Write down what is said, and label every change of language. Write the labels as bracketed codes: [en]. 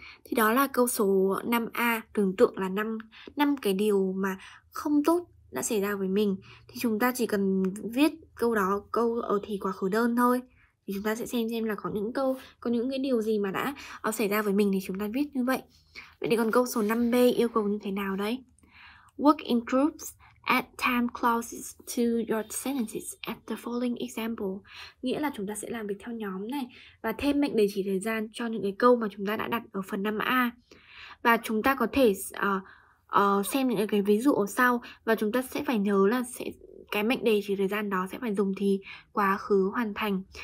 [vi] Thì đó là câu số 5A. Tưởng tượng là 5 cái điều mà không tốt đã xảy ra với mình. Thì chúng ta chỉ cần viết câu đó, câu ở thì quá khứ đơn thôi. Thì chúng ta sẽ xem là có những câu, có những cái điều gì mà đã xảy ra với mình thì chúng ta viết như vậy. Vậy thì còn câu số 5B yêu cầu như thế nào đấy? [en] Work in groups. Add time clauses to your sentences at the following example. [vi] Nghĩa là chúng ta sẽ làm việc theo nhóm này và thêm mệnh đề chỉ thời gian cho những cái câu mà chúng ta đã đặt ở phần 5A. Và chúng ta có thể xem những cái ví dụ ở sau. Và chúng ta sẽ phải nhớ là sẽ cái mệnh đề chỉ thời gian đó sẽ phải dùng thì quá khứ hoàn thành.